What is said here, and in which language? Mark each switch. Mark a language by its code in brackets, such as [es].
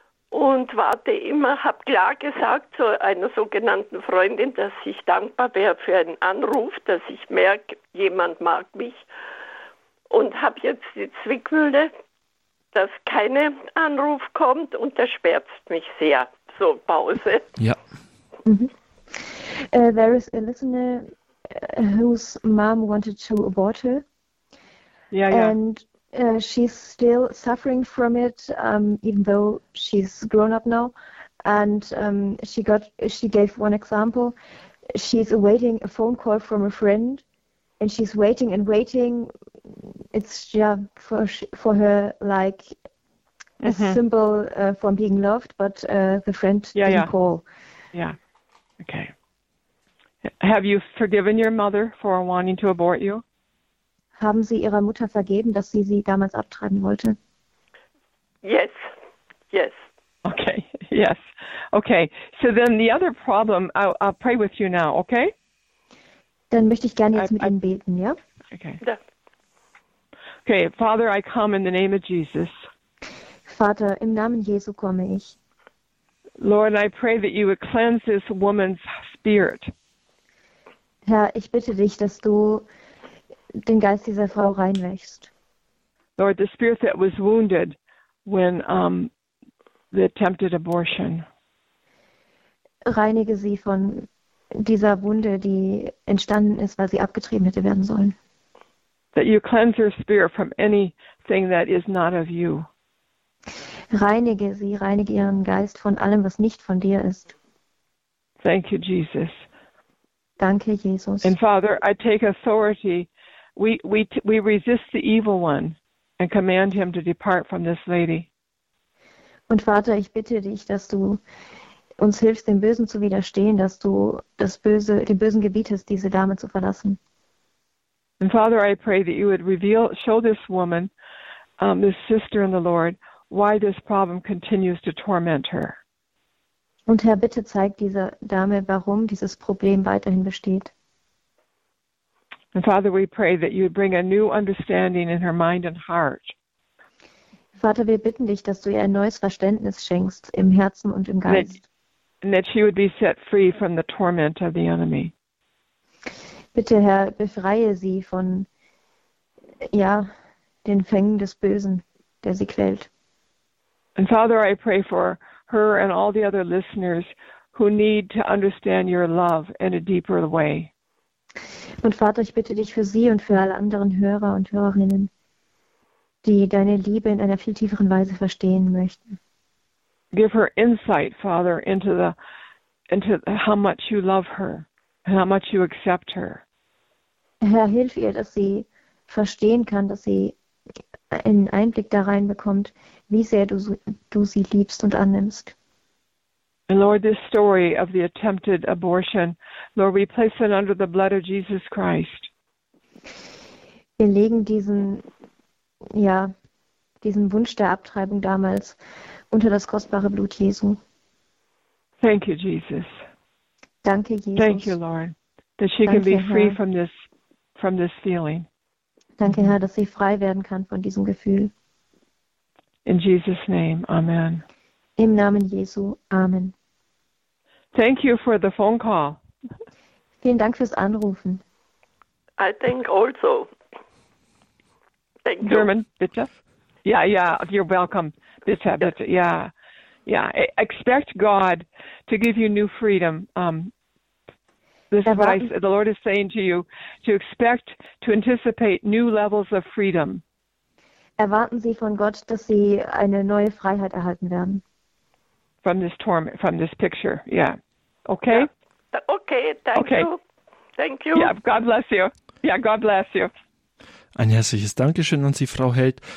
[de] und warte immer, habe klar gesagt zu einer sogenannten Freundin, dass ich dankbar wäre für einen Anruf, dass ich merke, jemand mag mich. Und habe jetzt die Zwickmühle, dass kein Anruf kommt und das schmerzt mich sehr. So, Pause. Ja. Mm-hmm. [en] There is a listener whose mom wanted to abort her. Yeah, yeah. And she's still suffering from it, even though she's grown up now. And she gave one example. She's awaiting a phone call from a friend, and she's waiting and waiting. It's for her like a symbol for being loved, but the friend didn't call. Yeah. Okay. Have you forgiven your mother for wanting to abort you? [de] Haben Sie Ihrer Mutter vergeben, dass sie Sie damals abtreiben wollte? [en] Yes. Yes. Okay. Yes. Okay. So then the other problem, I'll pray with you now, okay? [de] Dann möchte ich gerne jetzt mit Ihnen beten, ja? [en] Okay. Okay, Father, I come in the name of Jesus. [de] Vater, im Namen Jesu komme ich. [en] Lord, I pray that you would cleanse this woman's spirit. [de] Herr, ich bitte dich, dass du den Geist dieser Frau reinwäschst. [en] Lord, the spirit that was wounded when the attempted abortion. [de] Reinige sie von dieser Wunde, die entstanden ist, weil sie abgetrieben hätte werden sollen. [en] That you cleanse her spirit from anything that is not of you. [de] Reinige sie, reinige ihren Geist von allem, was nicht von dir ist. [en] Thank you, Jesus. [de] Danke, Jesus. [en] And Father, I take authority. We resist the evil one and command him to depart from this lady. [de] Und Vater, ich bitte dich, dass du uns hilfst, dem Bösen zu widerstehen, dass du das Böse, den Bösen gebietest, diese Dame zu verlassen. [en] And Father, I pray that you would reveal, show this woman, this sister in the Lord, why this problem continues to torment her. [de] Und Herr, bitte zeig dieser Dame, warum dieses Problem weiterhin besteht. [en] And Father, we pray that you would bring a new understanding in her mind and heart. [de] Vater, wir bitten dich, dass du ihr ein neues Verständnis schenkst im Herzen und im Geist. [en] And that she would be set free from the torment of the enemy. [de] Bitte, Herr, befreie sie von den Fängen des Bösen, der sie quält. [en] And Father, I pray for her and all the other listeners who need to understand your love in a deeper way. [de] Und Vater, ich bitte dich für sie und für alle anderen Hörer und Hörerinnen, die deine Liebe in einer viel tieferen Weise verstehen möchten. [en] Give her insight, Father, into how much you love her and how much you accept her. [de] Herr, hilf ihr, dass sie verstehen kann, dass sie einen Einblick da rein bekommt, wie sehr du sie liebst und annimmst. [en] And Lord, this story of the attempted abortion, Lord, we place it under the blood of Jesus Christ. [de] Wir legen diesen Wunsch der Abtreibung damals unter das kostbare Blut Jesu. [en] Thank you, Jesus. [de] Danke, Jesus. [en] Thank you, Lord, that she can be free from this feeling. [de] Danke, Herr, dass sie frei werden kann von diesem Gefühl. [en] In Jesus' name, Amen. [de] Im Namen Jesu, Amen. [en] Thank you for the phone call. [de] Vielen Dank fürs Anrufen. [en] I think also. Thank you. German, [de] bitte. [en] Yeah, yeah, you're welcome. [de] Bitte, [en] yeah. Yeah, expect God to give you new freedom. This is what the Lord is saying to you, to expect, to anticipate new levels of freedom. [de] Erwarten Sie von Gott, dass Sie eine neue Freiheit erhalten werden. [en] From this picture, yeah. Okay? Yeah. Okay, thank you. Thank you. Yeah, God bless you. Yeah, God bless you. [de] Ein herzliches Dankeschön an Sie, Frau Held.